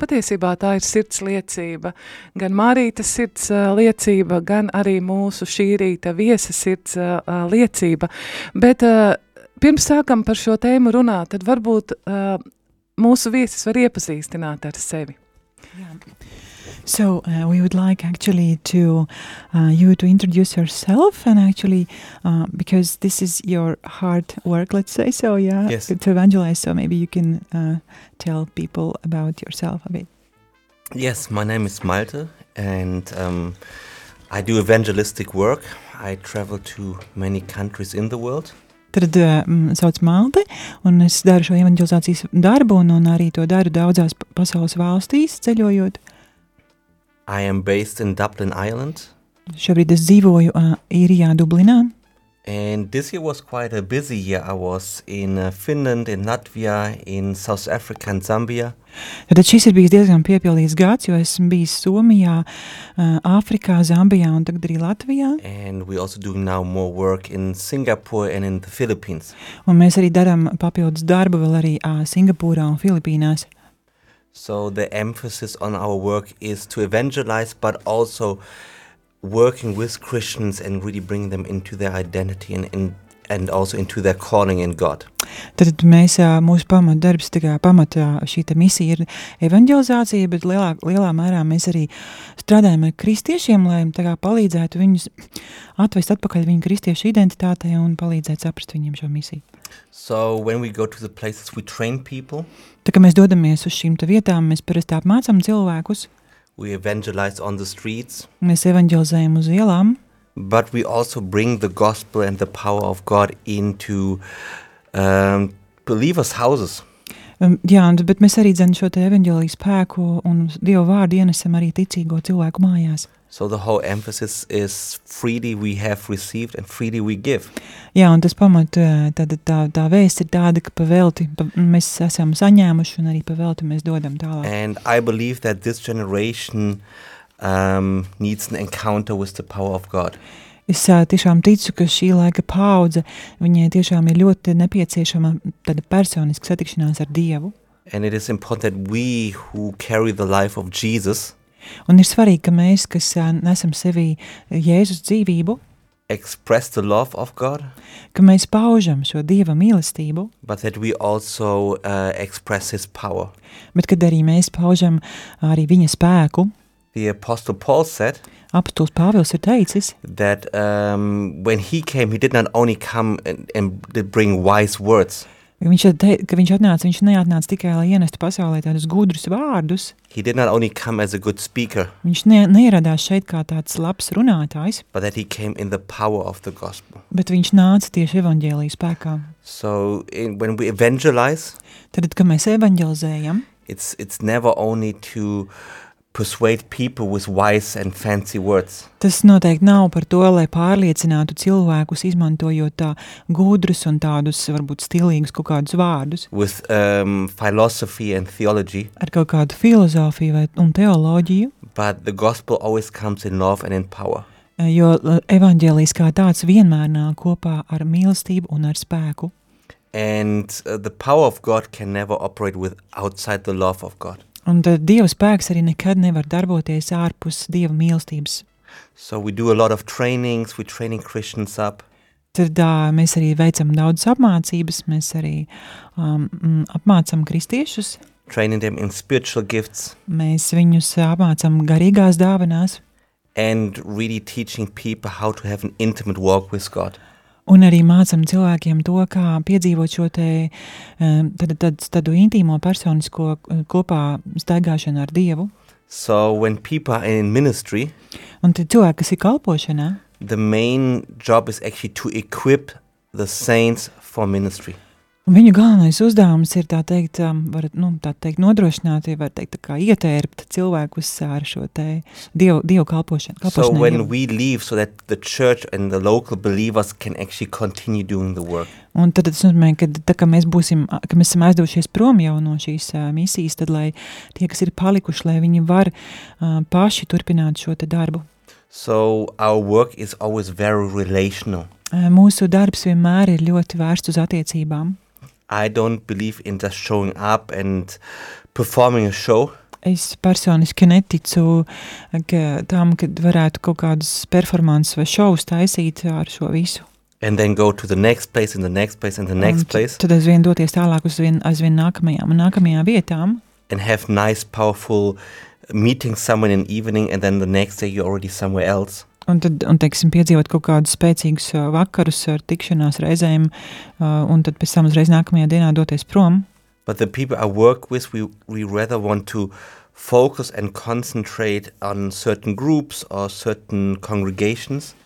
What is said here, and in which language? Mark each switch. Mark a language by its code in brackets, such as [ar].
[lv] Patiesībā tā ir sirds liecība. Gan Mārītes sirds liecība, gan arī mūsu šī rīta viesa sirds liecība. Bet pirms sākam par šo tēmu runāt, tad varbūt mūsu viesis var iepazīstināt ar sevi. [en] So we would like actually to you to introduce yourself and actually because this is your hard work, let's say so, yeah, yes. To evangelize, so maybe you can tell people about yourself a bit. Yes, my name is Malte and I do evangelistic work. I travel to many countries in the world. [lv] Tad sauc Malte, un es daru šo evangelizācijas darbu un arī to daru daudzās pasaules valstīs ceļojot. [en] I am based in Dublin, Ireland. [lv] Šobrīd es dzīvoju Īrijā, Dublinā. [en] And this year was quite a busy year. I was in Finland, in Latvia, in South Africa and Zambia. [lv] Tad šis ir bijis diezgan piepildīts gads, jo esmu bijis Somijā, Āfrikā, Zambijā un tagad arī Latvijā. [en] And we also doing now more work in Singapore and in the Philippines. [lv] Un mēs arī darām papildus darbu vēl arī Singapūrā un Filipīnās. [en] So the emphasis on our work is to evangelize, but also working with Christians and really bring them into their identity and also into their calling in God. [lv] Tad mēs, mūsu pamatdarbs, tikai pamata šī ta misija ir evangelizācija, bet lielā mērā mēs arī strādājam ar kristiešiem, lai tagā palīdzētu viņus atvest atpakaļ viņu kristiešu identitātei un palīdzēt saprast viņiem šo misiju. [en] So when we go to the places, we train people. [lv] Tā kā mēs dodamies uz šīm vietām, mēs parasti apmācām cilvēkus. [en] We evangelize on the streets. [lv] Mēs evangelizējam uz ielām. [en] But we also bring the gospel and the power of God into believers' houses. [lv] Jā, bet mēs arī dzen šo te evangelijas spēku un Dieva vārdu ienesam arī ticīgo cilvēku mājās. [en] So the whole emphasis is freely we have received and freely we give. [lv] Jā, un tas pamat, tā vēsts ir tāda, ka pavelti, mēs esam saņēmuši un arī pavelti mēs dodam tālāk. [en] And I believe that this generation needs an encounter with the power of God. [lv] Es tiešām ticu, ka šī laika paudze, viņai tiešām ir ļoti nepieciešama tāda personiska satikšanās ar Dievu. [en] And it is important that we who carry the life of Jesus. [lv] Un ir svarīgi, ka mēs, kas nesam sevī Jēzus dzīvību, [en] express the love of God, [lv] ka mēs paužam šo Dieva mīlestību, [en] but that we also express his power. [lv] Bet kad arī mēs paužam arī viņa spēku, [en] the apostle Paul said, [lv] apostols Pāvils ir teicis, [en] that when he came, he did not only come and bring wise words, [lv] viņš neatnāca tikai, lai ienestu pasaulē tādus gudrus vārdus. [en] He did not only come as a good speaker. [lv] Viņš neieradās šeit kā tāds labs runātājs. [en] But that he came in the power of the gospel. [lv] Bet viņš nāca tieši evaņģēlijas spēkā. [en] So, when we evangelize, [lv] tad, kad mēs evaņģelizējam, [en] it's never only to persuade people with wise and fancy words. [lv] Tas noteikti nav par to, lai pārliecinātu cilvēkus, izmantojot tā gudrus un tādus, varbūt, stilīgus kaut kādus vārdus. [en] With philosophy and theology. [lv] Ar kaut kādu filozofiju un teoloģiju. [en] But the gospel always comes in love and in power. [lv] jo evanģēlijs kā tāds vienmēr nāk kopā ar mīlestību un ar spēku. [en] And the power of God can never operate with outside the love of God. [lv] Un Dieva spēks arī nekad nevar darboties ārpus Dieva mīlestības. [en] So we do a lot of trainings, we're training Christians up. [lv] Tad mēs arī veicam daudz apmācības, mēs arī apmācam kristiešus. [en] Training them in spiritual gifts. [lv] Mēs viņus apmācam garīgās dāvanās. [en] And really teaching people how to have an intimate walk with God. [lv] Un arī mācam cilvēkiem to, kā piedzīvot šo te tādu intīmo personisko kopā staigāšanu ar Dievu. [en] So when people are in ministry, [lv] un tad cilvēki, kas ir kalpošanā, [en] the main job is actually to equip the saints for ministry. [lv] Un viņu galvenais uzdevums ir tā teikt, var, nu, tā teikt nodrošināt, ja var teikt, tā kā ietērpt cilvēkus ar šo te Dievu kalpošanu. [en] So when we leave so that the church and the local believers can actually continue doing the work. [lv] Un tad es nozīmē, ka tā kā mēs būsim, ka mēs esam aizdevušies prom jau no šīs misijas, tad lai tie, kas ir palikuši, lai viņi var paši turpināt šo te darbu. [en] So our work is always very relational. [lv] Mūsu darbs vienmēr ir ļoti vērsts uz attiecībām. [en] I don't believe in just showing up and performing a show. [lv] Es personiski neticu, ka tam, kad varētu kaut kādas performances vai šovus taisīt ar šo visu. [en] And then go to the next place and the next place and the next place. [lv] Tad es vien doties tālāk uz vien nākamajām un nākamajām vietām. [en] And have nice powerful meeting someone in evening and then the next day you're already somewhere else. [lv] Un tad, un teiksim, piedzīvot kaut kādus spēcīgus vakarus ar tikšanās reizēm, un tad pēc tam uzreiz nākamajā dienā doties prom. [en] But the people I work with, we rather want to focus and concentrate on certain groups or certain congregations.